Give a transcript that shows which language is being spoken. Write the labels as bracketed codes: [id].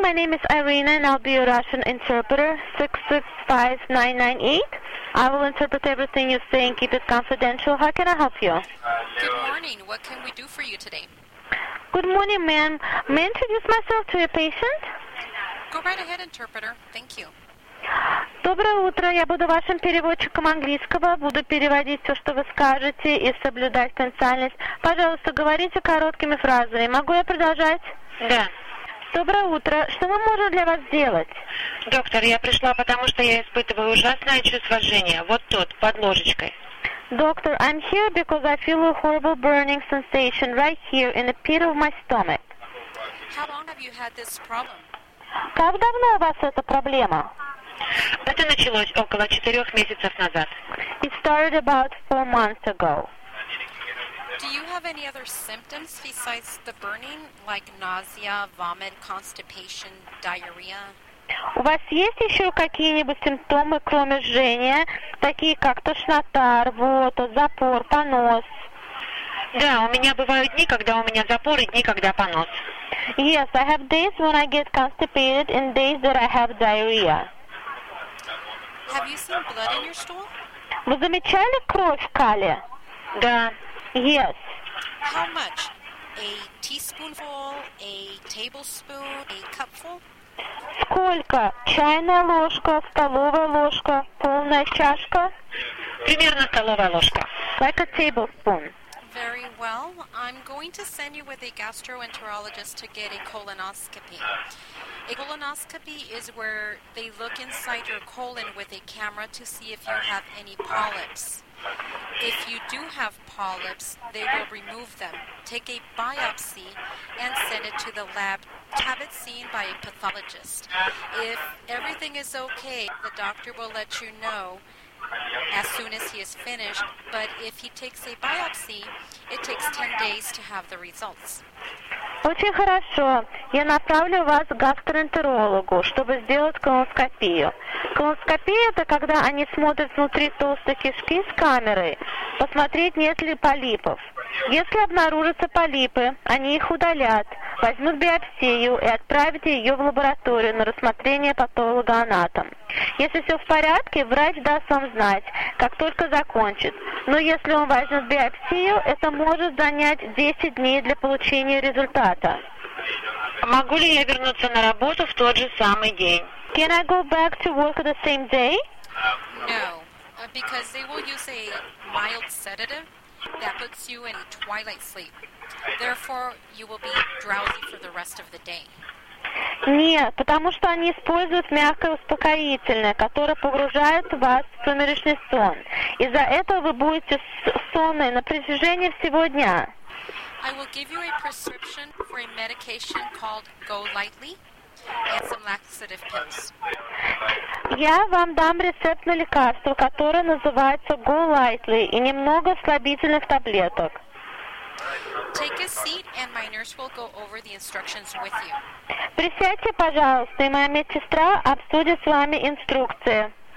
[en] My name is Irina, and I'll be your Russian interpreter. 665-998. I will interpret everything you say and keep it confidential. How can I help you? Good morning. What can we do for you today? Good morning, ma'am. May I introduce myself to your patient? Go right ahead, interpreter. Thank you. [ru] Доброе утро. Я буду вашим переводчиком английского. Буду переводить все, что вы скажете, и соблюдать конфиденциальность. Пожалуйста, говорите короткими фразами. Могу я продолжать? Да. Доброе утро. Что мы можем для вас сделать? Доктор, я пришла, потому что я испытываю ужасное чувство жжения. Вот тут, под ложечкой. Доктор, [en] I'm here because I feel a horrible burning sensation right here in the pit of my stomach. How long have you had this problem? [ru] Как давно у вас эта проблема? Это началось около 4 месяцев назад. [en] It started about 4 months ago. Do you have any other symptoms besides the burning, like nausea, vomit, constipation, diarrhea? [ru] У вас есть еще какие-нибудь симптомы, кроме жжения, такие как тошнота, рвота, запор, понос? Да, у меня бывают дни, когда у меня запор и дни, когда понос. [en] Yes, I have days when I get constipated and days that I have diarrhea. Have you seen blood in your stool? [ru] Вы замечали кровь в кале? Да. [en] Yes. How much? A teaspoonful, a tablespoon, a cupful? [ru] Сколько? Чайная ложка, столовая ложка, полная чашка? Примерно столовая ложка. [en] Like a tablespoon. Very well. I'm going to send you with a gastroenterologist to get a colonoscopy. A colonoscopy is where they look inside your colon with a camera to see if you have any polyps. If you do have polyps, they will remove them. Take a biopsy and send it to the lab. Have it seen by a pathologist. If everything is okay, the doctor will let you know as soon as he is finished. But if he takes a biopsy, it takes 10 days to have the results. [ru] Очень хорошо. Я направлю вас к гастроэнтерологу, чтобы сделать колоноскопию. Колоноскопия – это когда они смотрят внутри толстой кишки с камерой, посмотреть, нет ли полипов. Если обнаружатся полипы, они их удалят, возьмут биопсию и отправят ее в лабораторию на рассмотрение патологоанатом. Если все в порядке, врач даст вам знать, как только закончит. Но если он возьмет биопсию, это может занять 10 дней для получения результата. Могу ли я вернуться на работу в тот же самый день? [en] Can I go back to work the same day? No, because they will use a mild sedative that puts you in a twilight sleep. Therefore, you will be drowsy for the rest of the day. [ru] Нет, потому что они используют мягкое успокоительное, которое погружает вас в сумеречный сон. Из-за этого вы будете сонны на протяжении всего дня. [en] I will give you a prescription for a medication called Go Lightly and some laxative pills. [ru] Я вам дам рецепт на лекарство, которое называется Go Lightly и немного слабительных таблеток. [en] Take a seat and my nurse will go over the instructions with you. [ru] Присядьте, пожалуйста, и моя медсестра обсудит с вами инструкции.